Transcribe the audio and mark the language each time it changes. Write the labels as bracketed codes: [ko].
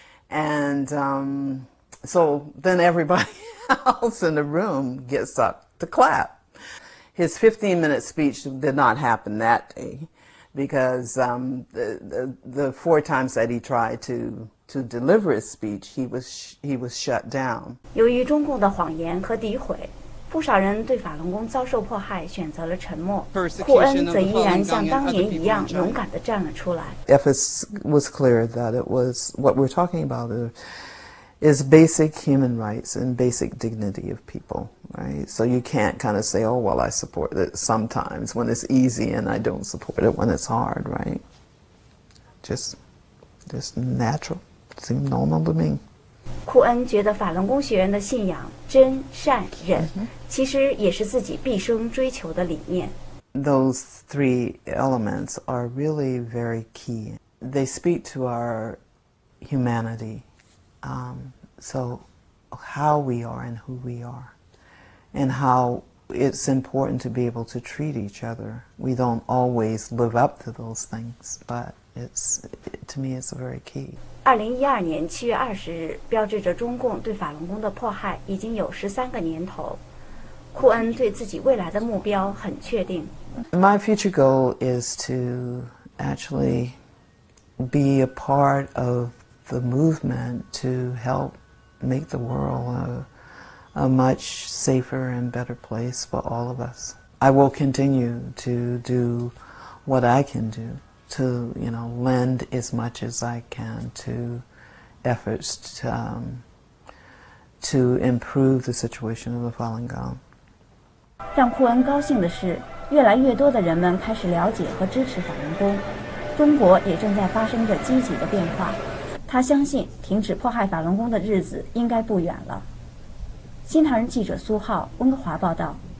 [en] And so then everybody else in the room gets up to clap. His 15-minute speech did not happen that day. Because the four times that he tried to deliver his speech, he was shut down. [zh] 由于中共的谎言和诋毁，不少人对法轮功遭受迫害选择了沉默。库恩则依然像当年一样勇敢地站了出来。 [en] If it was clear that it was what we're talking about is basic human rights and basic dignity of people. Right, so you can't kind of say, oh, well, I support it sometimes when it's easy and I don't support it when it's hard, right? Just natural. Seems normal to me. [zh] 库恩觉得法轮功学员的信仰真善忍其实也是自己毕生追求的理念。 [en] Those three elements are really very key. They speak to our humanity. So how we are and who we are. And how it's important to be able to treat each other. We don't always live up to those things, but to me, it's very key. [zh] 2012年7月20日，标志着中共对法轮功的迫害已经有13个年头。库恩对自己未来的目标很确定。 [en] My future goal is to actually be a part of the movement to help make the world a much safer and better place for all of us. I will continue to do what I can do to, you know, lend as much as I can to efforts to improve the situation of the Falun Gong. [zh] 让库恩高兴的是，越来越多的人们开始了解和支持法轮功，中国也正在发生着积极的变化。他相信，停止迫害法轮功的日子应该不远了。新唐人记者苏浩，温哥华报道。